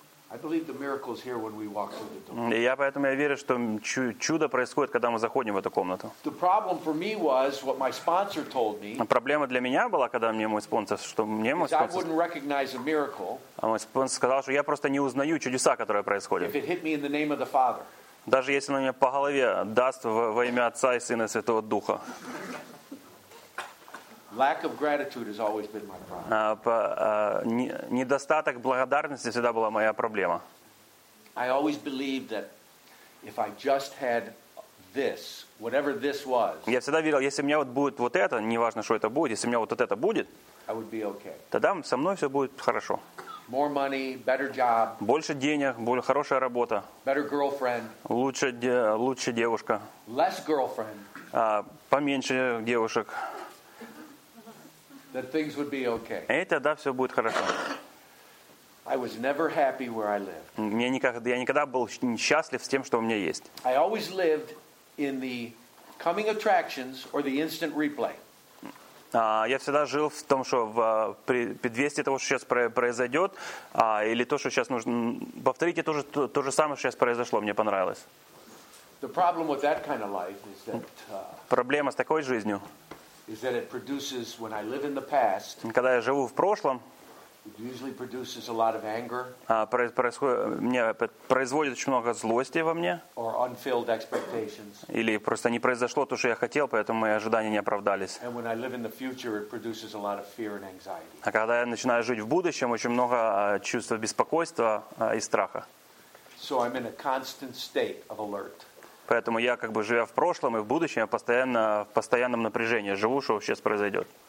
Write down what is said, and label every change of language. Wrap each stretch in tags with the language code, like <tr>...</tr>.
<en>I believe the miracle is here when we walk through the door.</en> <ru>И я верю, что чудо происходит, когда мы заходим в эту комнату.</ru> <en>The problem for me was what my sponsor told me.</en> <ru>Проблема для меня была, когда мне мой спонсор, что мне мой спонсор.</ru> <en>I wouldn't recognize a miracle.</en> <ru>А мой спонсор сказал, что я просто не узнаю чудеса, которые происходят.</ru> <en>If it hit me in the name of the Father.</en> <ru>Даже если он мне по голове даст во имя Отца и Сына и Святого Духа.</ru> <en>Lack of gratitude has always been my problem.</en> <ru>Недостаток благодарности всегда была моя проблема.</ru> <en>I always believed that if I just had this, whatever this was.</en> <ru>Я всегда верил, если у меня вот будет вот это, неважно, что это будет, если у меня вот это будет,</ru> <en>I would be okay.</en> <ru>Тогда со мной все будет хорошо.</ru> <en>More money, better job.</en> <ru>Больше денег, более хорошая работа.</ru> <en>Better girlfriend.</en> <ru>Лучше девушка.</ru> <en>Less girlfriend.</en> <ru>Поменьше девушек.</ru> <en>That things would be okay.</en> <ru>И тогда все будет хорошо.</ru> <en>I was never happy where I lived.</en> <ru>Я никогда был счастлив с тем, что у меня есть.</ru> <en>I always lived in the coming attractions or the instant replay.</en> <ru>Я всегда жил в том, что в предвестии того, что сейчас произойдет, или то, что сейчас нужно повторить, то же самое, что сейчас произошло, мне понравилось.</ru> <en>The problem with that kind of life is that.</en> <ru>Проблема с такой жизнью.</ru> <en>Is that it produces when I live in the past?</en> <ru>Когда я живу в прошлом,</ru> <en>it usually produces a lot of anger.</en> <ru>Мне производит очень много злости во мне.</ru> <en>Or unfilled expectations.</en> <ru>Или просто не произошло то, что я хотел, поэтому мои ожидания не оправдались.</ru> <en>And when I live in the future, it produces a lot of fear and anxiety.</en> <ru>А когда я начинаю жить в будущем, очень много чувства беспокойства и страха.</ru> <en>So I'm in a constant state of alert.</en> <ru>Поэтому я, как бы живя в прошлом и в будущем, я постоянно в постоянном напряжении живу, что сейчас произойдет.</ru>